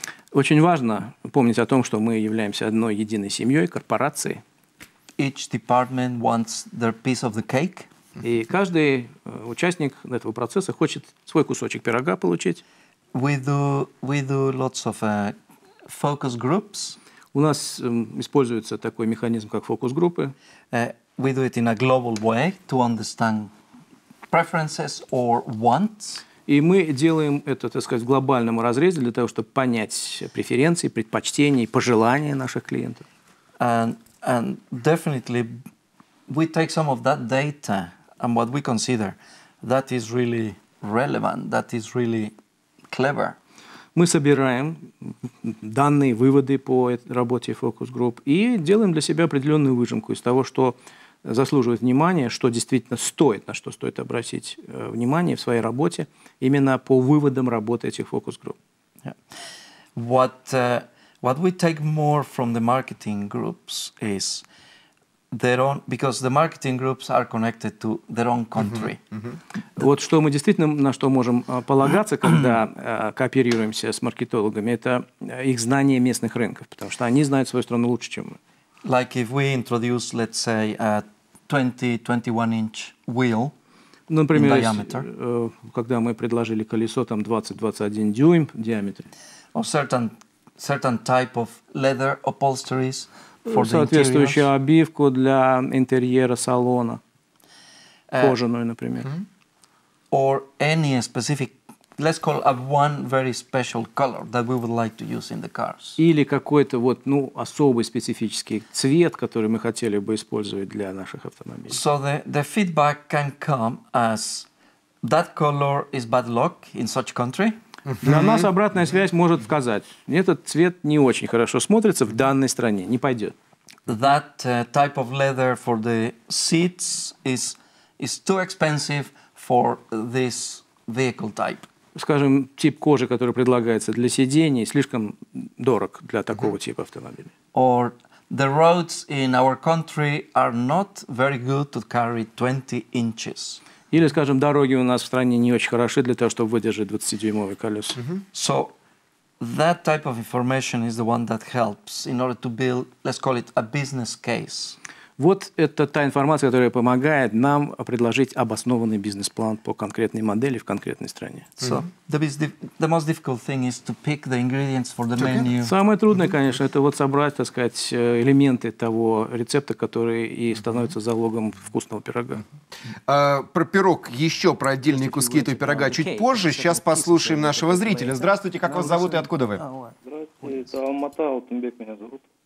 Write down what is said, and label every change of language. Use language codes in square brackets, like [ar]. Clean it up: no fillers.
[ru] Очень важно помнить о том, что мы являемся одной единой семьей, корпорацией. [en] Each department wants their piece of the cake. [ru] И каждый участник этого процесса хочет свой кусочек пирога получить. [en] We do lots of focus groups. [ru] У нас используется такой механизм, как фокус-группы. [en] We do it in a global way to understand preferences or wants. [ru] И мы делаем это, так сказать, в глобальном разрезе для того, чтобы понять преференции, предпочтения и пожелания наших клиентов. [en] And definitely we take some of that data and what we consider that is really relevant, that is really clever. [ru] Мы собираем данные, выводы по работе фокус-групп и делаем для себя определенную выжимку из того, что заслуживает внимания, что действительно стоит, на что стоит обратить внимание в своей работе именно по выводам работы этих фокус-групп. [en] Yeah. What we take more from the marketing groups is their own, because the marketing groups are connected to their own country. Mm-hmm. Mm-hmm. [ru] Вот что мы действительно на что можем полагаться, когда кооперируемся с маркетологами, это их знание местных рынков, потому что они знают свою страну лучше, чем мы. [en] Like if we introduce, let's say, a 20-21-inch wheel. [ru] Например, [en] in diameter, [ru] когда мы предложили колесо там 20-21 дюйм в диаметре. [en] Or certain type of leather upholsteries for the [ru] соответствующую interiors. Обивку для интерьера салона, кожаную, например. Mm-hmm. [en] Or any specific, let's call it one very special color that we would like to use in the cars. [ru] Или какой-то вот, ну, особый специфический цвет, который мы хотели бы использовать для наших автомобилей. [en] So the feedback can come as that color is bad luck in such country. [ru] На нас обратная связь может сказать, этот цвет не очень хорошо смотрится в данной стране, не пойдет. [en] That type of leather for the seats is too expensive for this vehicle type. [ru] Скажем, тип кожи, который предлагается для сидений, слишком дорог для такого типа автомобиля. [en] Or the roads in our country are not very good to carry 20 inches. [ru] Или, скажем, дороги у нас в стране не очень хороши для того, чтобы выдержать 20-дюймовые колеса. Mm-hmm. [en] So that type of information is the one that helps in order to build, let's call it, a business case. [ru] Вот это та информация, которая помогает нам предложить обоснованный бизнес-план по конкретной модели в конкретной стране. Mm-hmm. [en] So the most difficult thing is to pick the ingredients for the menu. [ru] Самое трудное, конечно, это вот собрать, так сказать, элементы того рецепта, который и становится залогом вкусного пирога. Про пирог еще, про отдельные куски этого пирога чуть позже. Сейчас послушаем нашего зрителя. Здравствуйте, как вас зовут и откуда вы? Здравствуйте, Алмата, Алтынбек меня зовут.